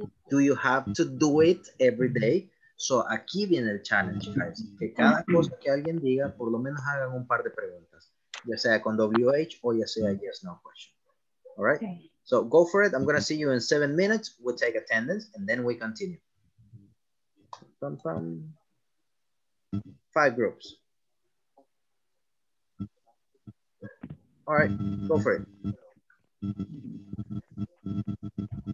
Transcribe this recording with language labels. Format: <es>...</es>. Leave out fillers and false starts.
<en>Do you have to do it every day?</en> <es>So aquí viene el challenge, guys. Que cada cosa que alguien diga, por lo menos hagan un par de preguntas. Ya sea con WH o ya sea yes, no question.</es> <en>All right? Okay. So go for it. I'm going to see you in 7 minutes. We'll take attendance and then we continue. 5 groups. All right, go for it.</en>